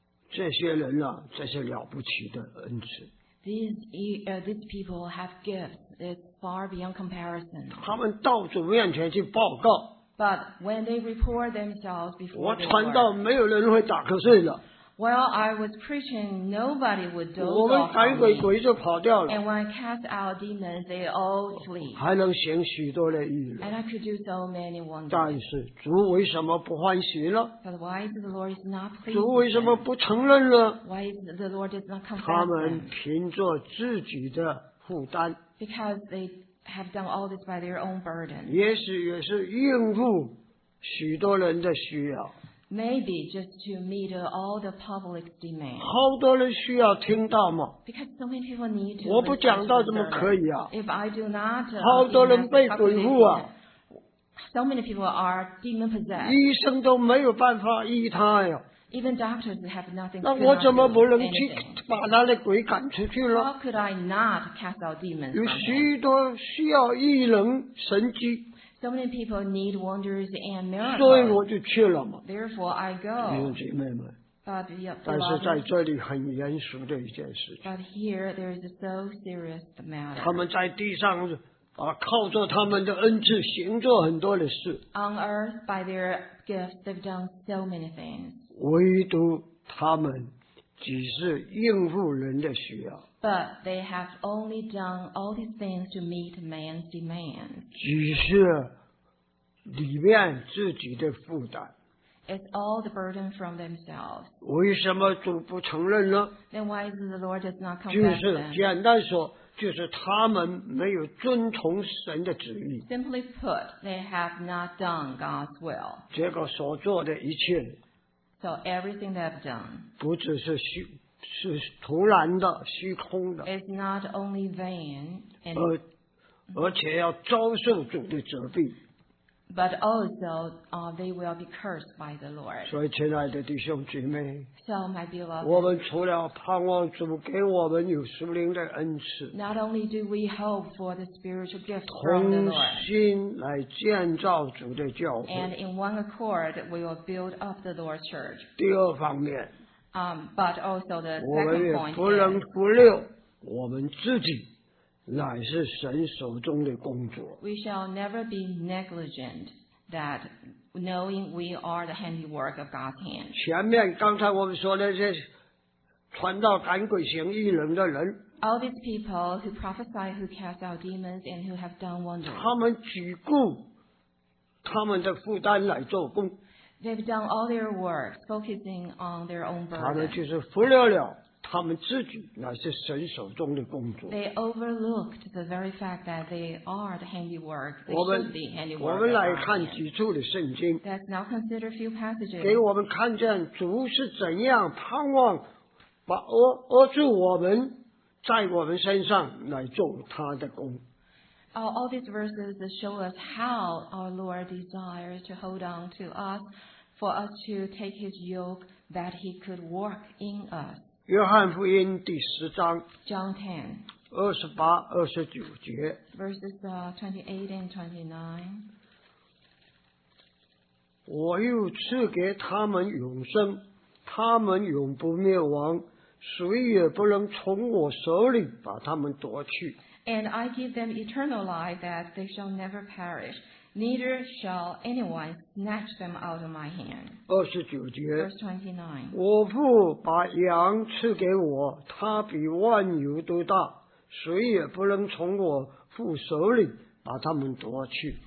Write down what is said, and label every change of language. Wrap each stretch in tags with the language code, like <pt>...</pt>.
<zh>这些人呢、啊，这些了不起的恩赐。</zh> <en>These people have gifts. It's far beyond comparison.</en> <zh>他们到主面前去报告。</zh> <en>But when they report themselves before,</en> <zh>我传道没有人会打瞌睡的。</zh> <en>While I was preaching, nobody would doze off.</en> <zh>我们赶鬼，鬼就跑掉了。</zh> <en>And when I cast out demons, they all flee.</en> <zh>还能行许多的异能。</zh> <en>And I could do so many wonders.</en> <zh>但是主为什么不欢喜呢？</zh> <en>But why is the Lord not pleased?</en> <zh>主为什么不承认呢？</zh> <en>Why is the Lord not confess?</en> <zh>他们凭着自己的负担。</zh> <en>Because they have done all this by their own burden.</en> <zh>也许也是应付许多人的需要。</zh> <en>Maybe just to meet all the public demand.</en> <zh>好多人需要听到吗？</zh> <en>Because so many people need to.</en> <zh>我不讲到怎么可以啊？</zh> <en>If I do not.</en> <zh>好多人被鬼附啊。</zh> <en>So many people are demon possessed.</en> <zh>医生都没有办法医他呀。</zh> <en>Even doctors have nothing.</en> <zh>那我怎么不能去把他的鬼赶出去了？</zh> <en>How could I not cast out demons?</en> <zh>有许多需要异能神迹。</zh> <en>So many people need wonders and miracles.</en> <zh>所以我就去了嘛。</zh> <en>Therefore, I go.</en> <zh>弟兄姐妹们。</zh> <en>But,</en> <zh>但是在这里很严肃的一件事情。</zh> <en>But here, there is so serious the matter.</en> <zh>他们在地上、啊、靠着他们的恩赐行做很多的事。</zh> <en>On earth, by their gifts, they've done so many things.</en> <zh>唯独他们只是应付人的需要。</zh> <en>But they have only done all these things to meet man's demand.</en> <zh>只是里面自己的负担。</zh> <en>It's all the burden from themselves.</en> <zh>为什么主不承认呢？</zh> <en>Then why is the Lord does not confess?</en> <zh>就是简单说，就是他们没有遵从神的旨意。</zh> <en>Simply put, they have not done God's will.</en> <zh>这个所做的一切。</zh> <en>So everything they've done.</en> <zh>不只是虚。是徒然的虚空的</zh> <en>It's not only vain, and</en> <zh>而且要遭受主的责备</zh> <en>But also, they will be cursed by the Lord.</en> <zh>所以亲爱的弟兄姐妹</zh> <en>So my beloved</en> <zh>我们除了盼望主给我们有属灵的恩赐</zh> <en>Not only do we hope for the spiritual gift from the</en> <zh>Lord 同心来建造主的教会</zh> <en>And in one accord, we will build up the Lord's church.</en> <zh>第二方面</zh> <en>but also the second point.</en> <zh>不能忽略我们自己乃是神手中的工作。</zh> <en>We shall never be negligent that knowing we are the handiwork of God's hand.</en> <zh>前面刚才我们说的这传道赶鬼行异能的人。</zh> <en>All these people who prophesy, who cast out demons, and who have done wonders.</en> <zh>他们只顾他们的负担来做工。</zh> <en>They've done all their work, focusing on their own burden.</en> <zh>他们就是忽略了他们自己乃是神手中的工作。</zh> <en>They overlooked the very fact that they are the handiwork. They</en> <zh>我们来看几处的圣经。</zh> <en>Let's now consider a few passages.</en> <zh>给我们看见主是怎样盼望把扼住我们在我们身上来做他的工。</zh> <en>All these verses show us how our Lord desires to hold on to us, for us to take His yoke that He could work in us.</en> <zh>约翰福音第十章</zh> <en>John 10</en> <zh>28, 29节</zh> <en>Verses 28 and 29</en> <zh>我又赐给他们永生，他们永不灭亡，谁也不能从我手里把他们夺去。</zh> <en>And I give them eternal life that they shall never perish, neither shall anyone snatch them out of my hand. 29 Verse 29.</en> <zh>我父把羊赐给我，他比万有都大，谁也不能从我父手里把他们夺去。</zh>